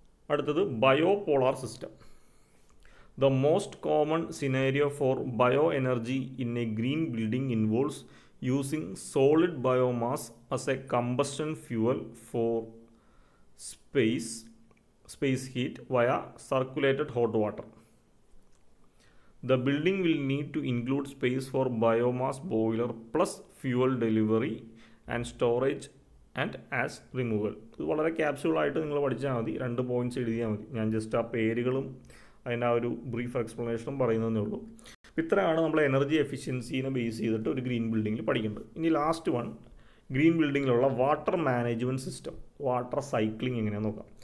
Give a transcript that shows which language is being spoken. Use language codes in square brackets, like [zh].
[ml] അടുത്തത് ബയോപോളാർ system. [en] The most common scenario for bio energy in a green building involves using solid biomass as a combustion fuel for space space heat via circulated hot water. The building will need to include space for biomass boiler plus fuel delivery and storage and as removal. [ml] ഇത് വളരെ capsule ആയിട്ട് നിങ്ങൾ പഠിച്ചാൽ മതി, രണ്ട് points എഴുതിയാൽ മതി. ഞാൻ ജസ്റ്റ് ആ പേരുകളും അതിൻ്റെ ആ ഒരു ബ്രീഫ് എക്സ്പ്ലനേഷനും പറയുന്നതേ ഉള്ളൂ. ഇത്രയാണ് നമ്മൾ എനർജി എഫിഷ്യൻസിനെ ബേസ് ചെയ്തിട്ട് ഒരു ഗ്രീൻ ബിൽഡിങ്ങിൽ പഠിക്കേണ്ടത്. ഇനി last one, green ബിൽഡിങ്ങിലുള്ള water management system, water cycling എങ്ങനെയാണ് നോക്കാം.